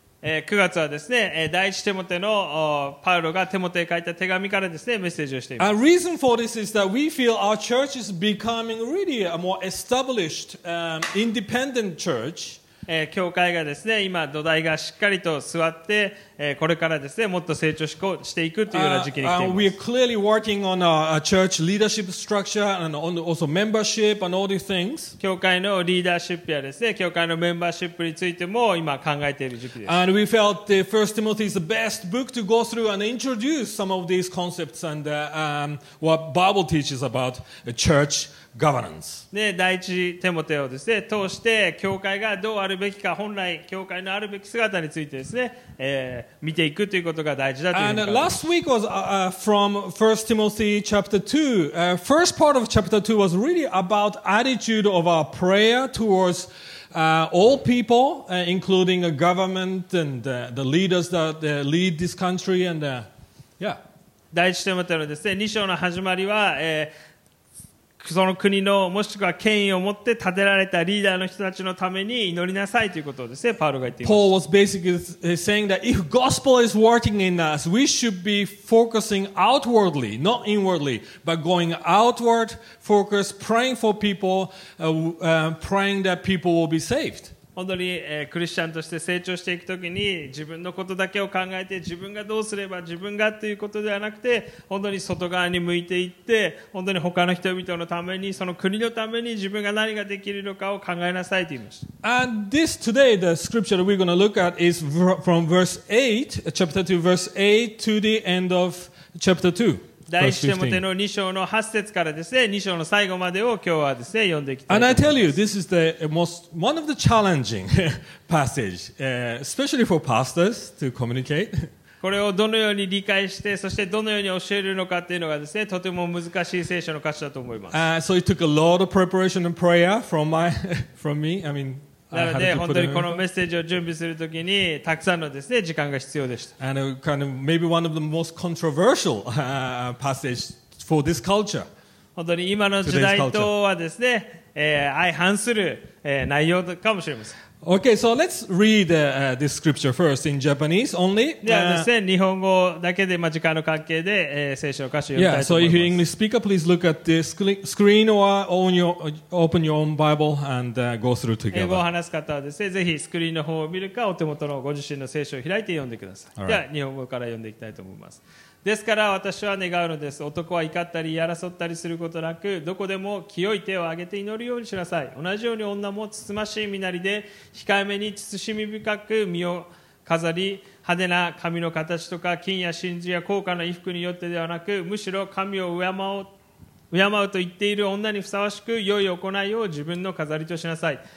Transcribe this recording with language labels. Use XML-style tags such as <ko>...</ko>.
<ja>9月はですね、第一テモテのパウロがテモテへ書いた手紙からですね、メッセージをしています。</ja> <en>A reason for this is that we feel our church is becoming really a more established, independent church.</en> <ja>教会がですね、今土台がしっかりと座って、これからですね、もっと成長していくというような時期に来ています。</ja> <en>We are clearly working on our church leadership structure and also membership and all these things.</en> <ja>教会のリーダーシップやですね、教会のメンバーシップについても今考えている時期です。</ja> <en>And we felt the First Timothy is the best book to go through and introduce some of these concepts and what Bible teaches about church. Governance.</en> <ja>ね、第一テモテをですね、通して教会がどうあるべきか、本来教会のあるべき姿についてですね、見ていくということが大事だというふうに。</ja> <en>And last week was from 1 Timothy chapter 2. First part of chapter 2 was really about attitude of our prayer towards all people, including a government and the leaders that lead this country. And yeah.</en> <ja>第一テモテのですね、2章の始まりは。その国のもしくは権威を持って立てられたリーダーの人たちのために祈りなさいということをですね、パウロが言っています。</ja> <en>Paul was basically saying that if gospel is working in us, we should be focusing outwardly, not inwardly, but going outward, focus, praying for people, praying that people will be saved.</en> <ja>本当に、クリスチャンとして成長していくときに自分のことだけを考えて自分がどうすれば自分がということではなくて本当に外側に向いていって本当に他の人々のためにその国のために自分が何ができるのかを考えなさいと言いました。</ja> <en>And this today the scripture that we're going to look at is from verse 8 chapter 2 verse 8 to the end of chapter 2</en> <ja>第一テモテの2章の8節からですね、2章の最後までを今日はですね、読んでいきたいと思います。</ja> <en>And I tell you, this is the most, one of the challenging passage, especially for pastors to communicate.</en> <ja>これをどのように理解して、そしてどのように教えるのかっていうのがですね、とても難しい聖書の箇所だと思います。</ja> <en>So it took a lot of preparation and prayer from my, from me, I mean,</en> <ja>なので本当にこのメッセージを準備するときにたくさんのですね時間が必要でした。</ja> <en>And kind of maybe one of the most controversial passage for this culture.</en> <ja>本当に今の時代とはですね、相反する、内容かもしれません。</ja> <en>Okay, so let's read this scripture first in Japanese only.</en> <ja>では日本語だけで時間の関係で、聖書の箇所を読みたいと思います。</ja> <en>Yeah, so if you're English speaker, please look at the screen or open your own Bible and go through together.</en> <ja>英語を話す方はですね、ぜひスクリーンの方を見るか、お手元のご自身の聖書を開いて読んでください。では日本語から読んでいきたいと思います。ですから私は願うのです。男は怒ったり、争ったりすることなく、どこでも清い手を挙げて祈るようにしなさい。同じように女も慎ましい身なりで、控えめに慎み深く身を飾り、派手な髪の形とか、金や真珠や高価な衣服によってではなく、むしろ神を敬うと言っている女にふさわしく、良い行いを自分の飾りとしなさい。</ja>